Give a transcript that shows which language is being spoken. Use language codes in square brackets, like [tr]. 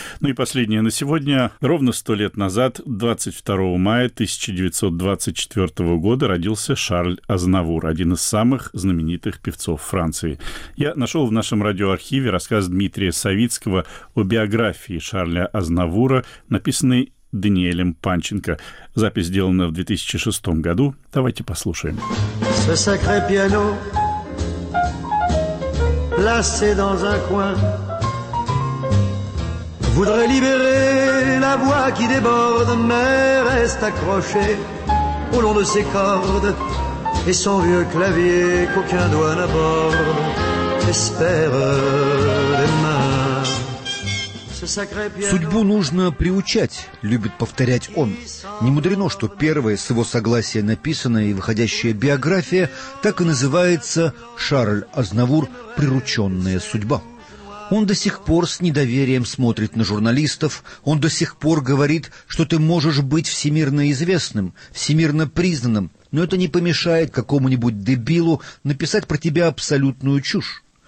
[ru] Ну и последнее на сегодня. Ровно 100 лет назад, 22 мая 1924 года, родился Шарль Азнавур, один из самых знаменитых певцов Франции. Я нашел в нашем радиоархиве рассказ Дмитрия Савицкого о биографии Шарля Азнавура, написанной Даниэлем Панченко. Запись сделана в 2006 году. Давайте послушаем. [fr] Ce sacré piano, placé dans un coin, voudrait libérer la voix qui déborde, mais reste accrochée au long de ses cordes et son vieux clavier qu'aucun doigt n'aborde. Espère. [ru] Судьбу нужно приучать, любит повторять он. Не мудрено, что первая с его согласия написанная и выходящая биография так и называется «Шарль Азнавур. Прирученная судьба». Он до сих пор с недоверием смотрит на журналистов, он до сих пор говорит, что ты можешь быть всемирно известным, всемирно признанным, но это не помешает какому-нибудь дебилу написать про тебя абсолютную чушь.